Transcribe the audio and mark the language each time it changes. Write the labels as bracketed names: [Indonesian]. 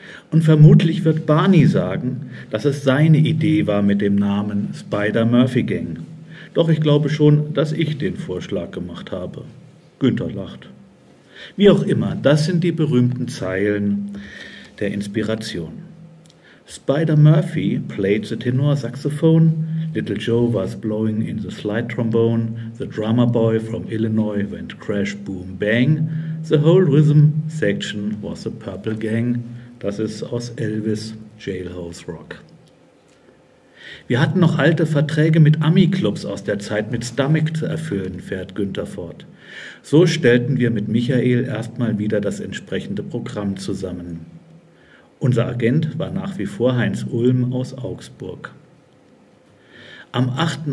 [German] Und vermutlich wird Barney sagen, dass es seine Idee war mit dem Namen Spider-Murphy-Gang. Doch ich glaube schon, dass ich den Vorschlag gemacht habe. Günther lacht. Wie auch immer, das sind die berühmten Zeilen der Inspiration. [English] Spider Murphy played the tenor saxophone, Little Joe was blowing in the slide trombone, the drummer boy from Illinois went crash, boom, bang, the whole rhythm section was the Purple Gang, [German] das ist aus Elvis' Jailhouse Rock. Wir hatten noch alte Verträge mit Ami-Clubs aus der Zeit mit Stomach zu erfüllen, fährt Günther fort. So stellten wir mit Michael erstmal wieder das entsprechende Programm zusammen. Unser Agent war nach wie vor Heinz Ulm aus Augsburg. Am 8.